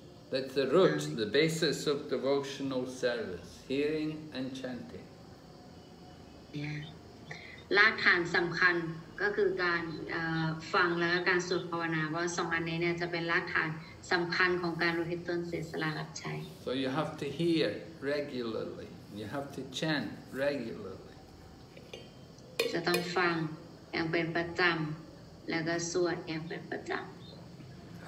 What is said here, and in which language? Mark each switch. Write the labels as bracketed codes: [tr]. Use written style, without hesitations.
[en] That's the root, the basis of devotional service. Hearing and chanting. Yeah. [th] รากฐานสำคัญก็คือการฟังแล้วก็การสวดภาวนาว่าสองอันนี้เนี่ยจะเป็นรากฐานสำคัญของการอุทิศตนเสียสละรับใช้ [en] So you have to hear regularly. You have to chant regularly. [th] จะต้องฟังอย่างเป็นประจำแล้วก็สวดอย่างเป็นประจำ